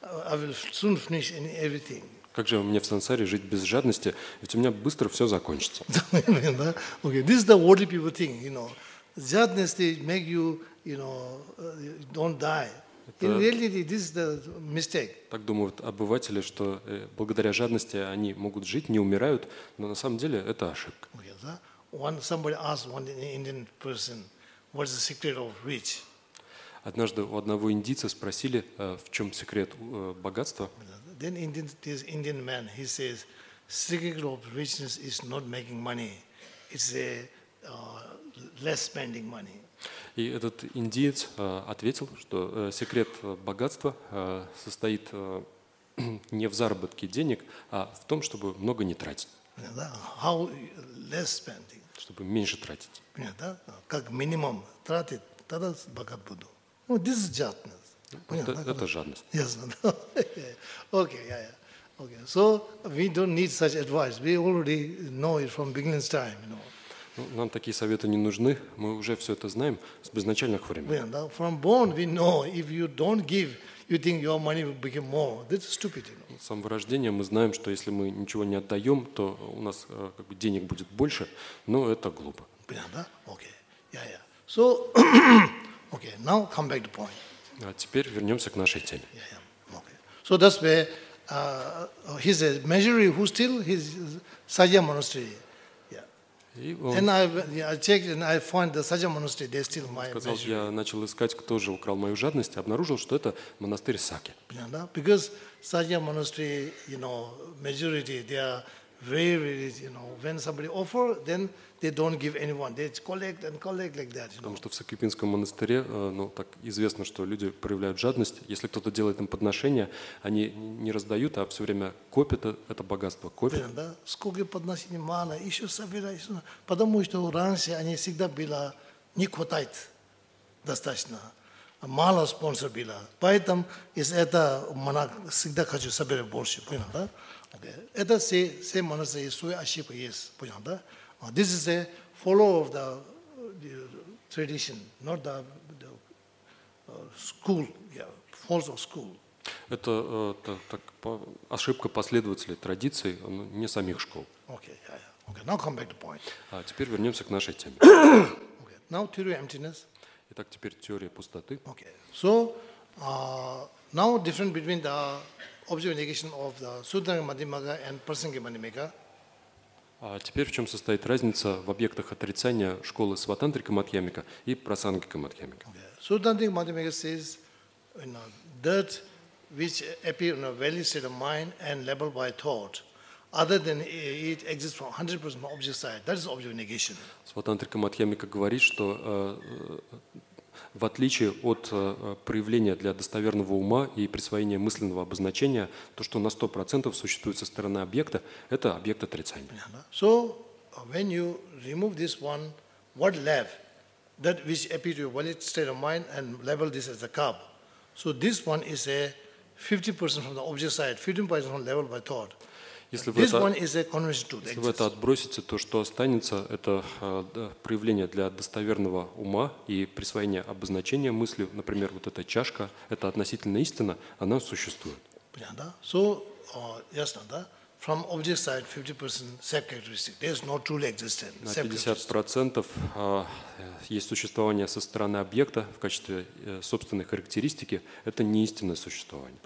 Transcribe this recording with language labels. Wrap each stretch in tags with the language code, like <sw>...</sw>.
<en>I will soon finish everything.</en> <ru>Как же мне в сансаре жить без жадности? Ведь у меня быстро все закончится. Понятно,</ru> <en>okay. This is the worldly people thing, you know. Jadness make you, you know, don't die. In reality, this is the mistake.</en> <ru>Так думают обыватели, что благодаря жадности они могут жить, не умирают, но на самом деле это ошибка. Okay, да?</ru> <en>One somebody asked one Indian person, what's the secret of rich?</en> <ru>Однажды у одного индийца спросили, в чем секрет богатства?</ru> <en>Then Indian, this Indian man, he says, secret of richness is not making money, it's a less spending money.</en> <ru>И этот индиец ответил, что секрет богатства состоит не в заработке денег, а в том, чтобы много не тратить.</ru> <en>How less spending?</en> <ru>Чтобы меньше тратить. Нет, да? Как минимум тратить, тогда богат буду.</ru> <en>Ну, this is jadness.</en> <ru>Это жадность.</ru> <en>Yes, no. Okay, yeah, yeah. Okay. So we don't need such advice. We already know it from beginning's time, you know.</en> <ru>Ну, нам такие советы не нужны, мы уже все это знаем с безначальных времен.</ru> <en>From born we know if you don't give, you think your money will become more. That's stupid, you know.</en> <ru>С самого рождения мы знаем, что если мы ничего не отдаем, то у нас как бы денег будет больше, но это глупо. Понятно?</ru> <en>Okay. Yeah, yeah. So, okay, now come back to point.</en> <ru>А теперь вернемся к нашей теме.</ru> <en>Yeah, yeah. Okay. So that's where he says, measure who still his Sajya monastery. Then I checked and I found the Sajya monastery. They steal my treasure.</en> <ru>Сказал, я начал искать, кто же украл мою жадность, обнаружил, что это монастырь Саки. Понятно?</ru> <en>Because Sajya monastery, you know, majority they are very, very, you know, when somebody offer, then they don't give anyone. They collect and collect like that.</en> <ru>Потому что в Сакюпинском монастыре, ну, так известно, что люди проявляют жадность. Если кто-то делает им подношение, они не раздают, а все время копят это богатство. Копят. Да? Сколько подношений мало, еще собираешь. Потому что раньше они всегда было не хватает достаточно. Мало спонсор было. Поэтому из этого монах всегда хочу собирать больше. Понял, да? Okay. Это все монастыри, свои ошибки есть. Понял, да?</ru> <en>This is a follower of the tradition, not the school, yeah, false of school.</en> <ru>Это так ошибка последователей традиции, не самих школ.</ru> <en>Okay, yeah, yeah. Okay, now come back to point.</en> <ru>Теперь вернемся к нашей теме.</ru> <en>Okay, now theory of emptiness.</en> <ru>Итак, теперь теория пустоты.</ru> <en>Okay, so now difference between the objective negation of the Sudra Madhyamaka and Prasanga Madhyamaka.</en> <ru>А теперь в чем состоит разница в объектах отрицания школы Сватантрика Мадхьямика и Прасангика Мадхьямика?</ru> <en>Сватантрика Мадхьямика says, you know, dirt which appears in a valley state of mind and labeled by thought, other than it exists from 100% from object side. That is objective negation.</en> <ru>Сватантрика Мадхьямика говорит, что в отличие от проявления для достоверного ума и присвоения мысленного обозначения, то, что на 100% существует со стороны объекта, это объект отрицания.</ru> <en>So, when you remove this one, what left? That which appears to your valid state of mind and label this as a cup. So, this one is a 50% from the object side, 50% from level by thought.</en> <ru>Если</ru> <en>this</en> <ru>это,</ru> <en>one is a conversion to the</en> <ru>если вы это отбросите, то что останется, это проявление для достоверного ума и присвоение обозначения мыслью, например, вот эта чашка, это относительно истина, она существует. Понятно? So, ясно, да?</ru> <en>From object side, 50% self-characteristic. There is no truly existence.</en> <ru>На 50% есть существование со стороны объекта в качестве собственной характеристики, это не истинное существование.</ru>